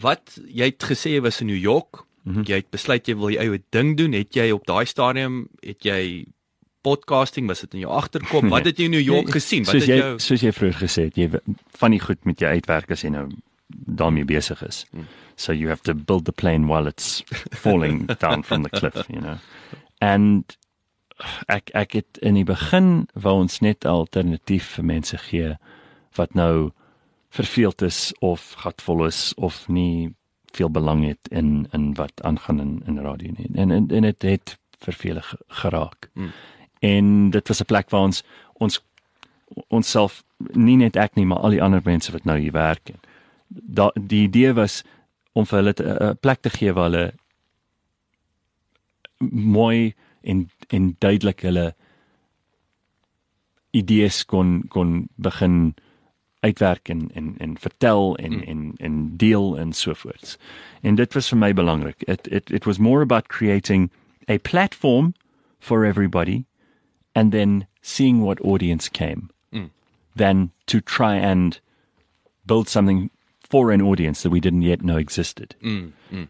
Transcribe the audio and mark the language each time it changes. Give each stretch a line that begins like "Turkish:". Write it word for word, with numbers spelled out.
Afrikaans: Wat jy het gesê jy was in New York. Mm-hmm. Jy het besluit jy wil jou eie ding doen, het jy op daai stadium, het jy podcasting, was dit in jou agterkop, wat het jy in New York gesien? Wat soos het jy, jou... soos jy vroeër gesê het, jy, van die goed met jou uitwerk as jy nou daarmee besig is. Mm.
English: So you have to build the plane while it's falling down from the cliff, you know. And
Afrikaans: ek ek het in die begin wou ons net alternatief vir mense gee wat nou verveeld is of gatvol is of nie veel belang het in in wat aangaan in in radio nie. En en, en dit het vervelig geraak. Hmm. En dit was 'n plek waar ons ons onsself nie net ek nie, maar al die ander mense wat nou hier werk. Da, die idee was om vir hulle 'n plek te gee waar hulle mooi en en duidelik hulle idees kon kon begin uitwerk en en en vertel en mm. en en deel en so voort. En dit was vir my belangrik.
English: It it it was more about creating a platform for everybody and then seeing what audience came mm. than to try and build something for an audience that we didn't yet know existed. Mm. Mm.